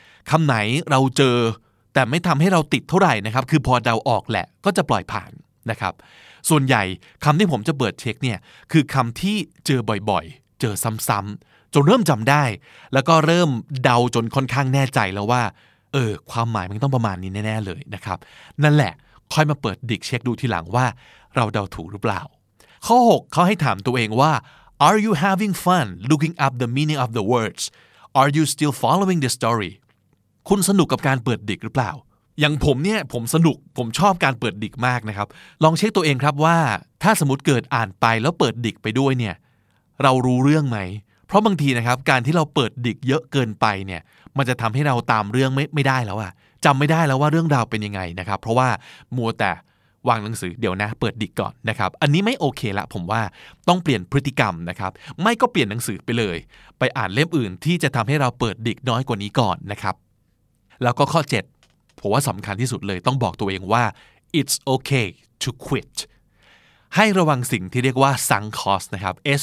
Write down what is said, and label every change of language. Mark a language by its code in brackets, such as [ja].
[th] คำไหนเราเจอแต่ไม่ทำให้เราติดเท่าไหร่นะครับคือพอเดาออกแหละก็จะปล่อยผ่านนะครับส่วนใหญ่คำที่ผมจะเปิดเช็คเนี่ยคือคำที่เจอบ่อยๆเจอซ้ำๆจนเริ่มจำได้แล้วก็เริ่มเดาจนค่อนข้างแน่ใจแล้วว่าเออความหมายมันต้องประมาณนี้แน่ๆเลยนะครับนั่นแหละค่อยมาเปิดดิกเช็คดูทีหลังว่าเราเดาถูกหรือเปล่าข้อ6เขาให้ถามตัวเองว่า [en] Are you having fun looking up the meaning of the words Are you still following the story? [th] คุณสนุกกับการเปิดดิกหรือเปล่าอย่างผมเนี่ยผมสนุกผมชอบการเปิดดิกมากนะครับลองเช็คตัวเองครับว่าถ้าสมมติเกิดอ่านไปแล้วเปิดดิกไปด้วยเนี่ย เรารู้เรื่องไหมเพราะบางทีนะครับการที่เราเปิดดิกเยอะเกินไปเนี่ยมันจะทำให้เราตามเรื่องไม่ได้แล้วอะจำไม่ได้แล้วว่าเรื่องราวเป็นยังไงนะครับเพราะว่ามัวแต่วางหนังสือเดี๋ยวนะเปิดดิกก่อนนะครับอันนี้ไม่โอเคละผมว่าต้องเปลี่ยนพฤติกรรมนะครับไม่ก็เปลี่ยนหนังสือไปเลยไปอ่านเล่มอื่นที่จะทำให้เราเปิดดิกน้อยกว่านี้ก่อนนะครับแล้วก็ข้อ7ผมว่าสำคัญที่สุดเลยต้องบอกตัวเองว่า [en] it's okay to quit [th] ให้ระวังสิ่งที่เรียกว่า sunk cost นะครับ